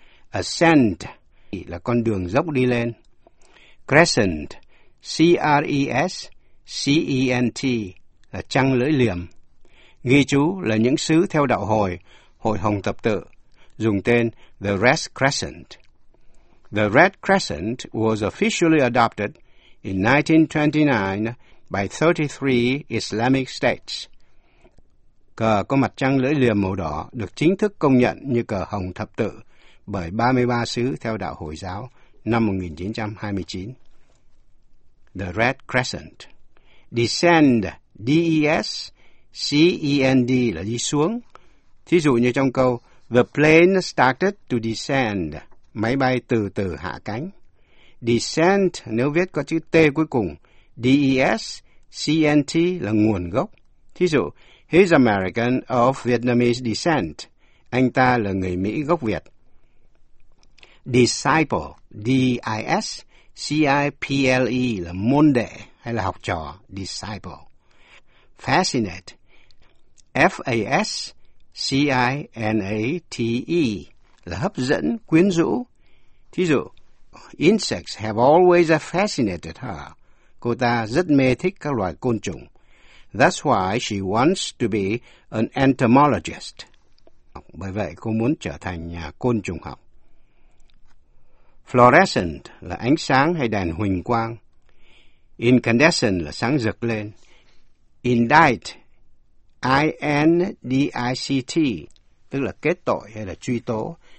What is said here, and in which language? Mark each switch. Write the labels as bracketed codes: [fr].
[vi] Ascent là con đường dốc đi lên. Crescent, C-R-E-S-C-E-N-T là trăng lưỡi liềm. Ghi chú là những sứ theo đạo Hồi, Hội Hồng Thập Tự, dùng tên The Red Crescent. [en] The Red Crescent was officially adopted in 1929 by 33 Islamic states. [vi] Cờ có mặt trăng lưỡi liềm màu đỏ được chính thức công nhận như cờ Hồng Thập Tự bởi 33 sứ theo đạo Hồi giáo năm 1929. The Red Crescent. Descend, D-E-S-C-E-N-D là đi xuống. Thí dụ như trong câu [en] The plane started to descend. [vi] Máy bay từ từ hạ cánh. Descent nếu viết có chữ T cuối cùng, D-E-S-C-E-N-T là nguồn gốc. Thí dụ [en] He's American of Vietnamese descent. [vi] Anh ta là người Mỹ gốc Việt. Disciple, D-I-S-C-I-P-L-E là môn đệ hay là học trò, disciple. Fascinate, F-A-S-C-I-N-A-T-E là hấp dẫn, quyến rũ. Thí dụ, [en] insects have always fascinated her. [vi] Cô ta rất mê thích các loài côn trùng. [en] That's why she wants to be an entomologist. [vi] Bởi vậy, cô muốn trở thành nhà côn trùng học. Fluorescent là ánh sáng hay đèn huỳnh quang. Incandescent là sáng rực lên. Indict, I-N-D-I-C-T, tức là kết tội hay là truy tố.